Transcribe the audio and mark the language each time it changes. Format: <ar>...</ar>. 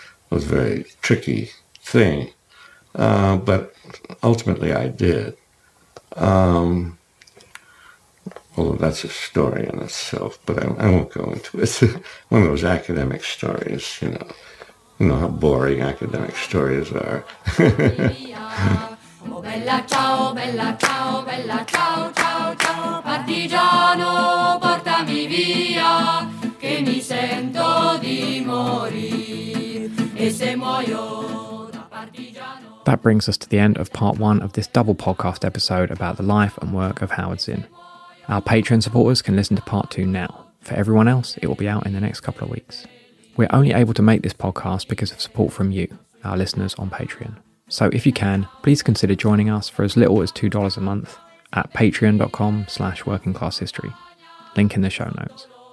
<en>It was a very tricky thing. But ultimately I did. Although that's a story in itself, but I won't go into it. One of those academic stories, you know how boring academic stories are.</en> <it>Oh, bella ciao, bella ciao, bella ciao, ciao, ciao, partigiano, portami via, che mi sento di morire, e se muoio da partigiano.</it> <en>That brings us to the end of part one of this double podcast episode about the life and work of Howard Zinn. Our Patreon supporters can listen to part two now. For everyone else, it will be out in the next couple of weeks. We're only able to make this podcast because of support from you, our listeners on Patreon. So if you can, please consider joining us for as little as $2 a month at patreon.com/workingclasshistory. Link in the show notes.</en>